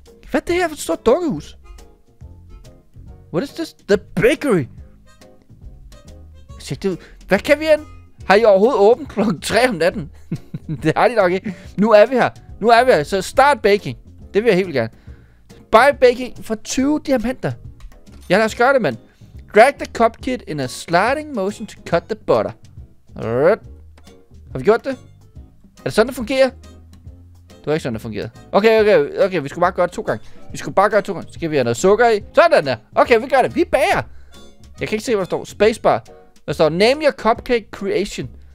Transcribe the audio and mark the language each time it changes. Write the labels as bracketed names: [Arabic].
[Danish] Hvad er det her for et stort dukkehus? [English] What is this? The bakery! [Danish] Sæt det ud. Hvad kan vi end? Har I overhovedet åbent klokken 3 om natten? Det har de nok ikke. Nu er vi her. Så [English] start baking. [Danish] Det vil jeg helt vildt gerne. [English] Buy baking for 20 [Danish] diamanter. Ja, lad os gøre det, mand. [English] Drag the cup kit in a sliding motion to cut the butter. Alright. [Danish] Har vi gjort det? Er det sådan, det fungerer? Det var ikke sådan, det fungerede. Okay, vi skulle bare gøre det to gange. Så skal vi have noget sukker i. Sådan der. Okay, vi gør det. Vi bager. Jeg kan ikke se, hvad der står. Spacebar. Der står, [English] name your cupcake creation.